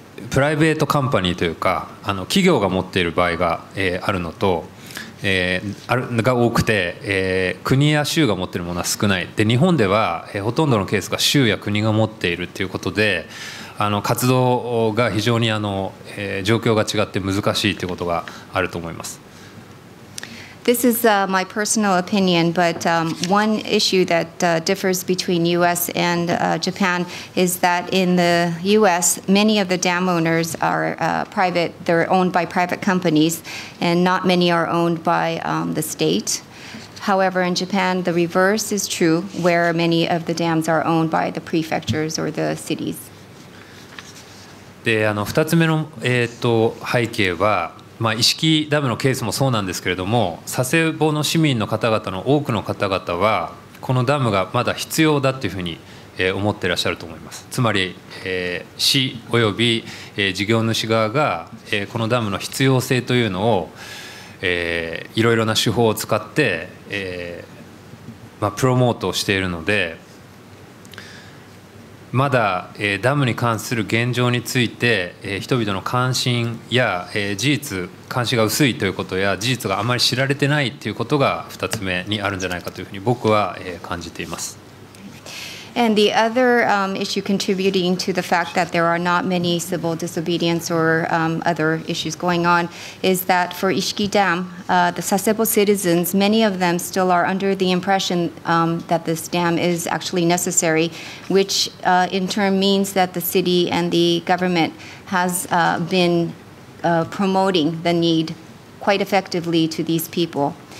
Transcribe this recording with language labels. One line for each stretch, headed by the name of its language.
Japanese: プライベートカンパニーというか、あの企業が持っている場合が、あるのと、あるが多くて、国や州が持っているものは少ない。で、日本では、ほとんどのケースが州や国が持っているということで、あの活動が非常にあの、状況が違って難しいということがあると思います。
English: This is my personal opinion, but one issue that differs between U.S. and Japan is that in the U.S., many of the dam owners are private, they're owned by private companies, and not many are owned by the state. However, in Japan, the reverse is true, where many of the dams are owned by the prefectures or the cities.
Japanese: で、あの、2つ目の、背景は、まあ、石木ダムのケースもそうなんですけれども、佐世保の市民の方々の多くの方々はこのダムがまだ必要だというふうに思っていらっしゃると思います。つまり、市および、事業主側が、このダムの必要性というのを、いろいろな手法を使って、まあ、プロモートをしているので、まだ、ダムに関する現状について、人々の関心や、事実関心が薄いということや事実があまり知られてないということが2つ目にあるんじゃないかというふうに僕は、感じています。
English: And the other issue contributing to the fact that there are not many civil disobedience or other issues going on is that for Ishiki Dam, the Sasebo citizens, many of them still are under the impression that this dam is actually necessary, which in turn means that the city and the government has been promoting the need quite effectively to these people.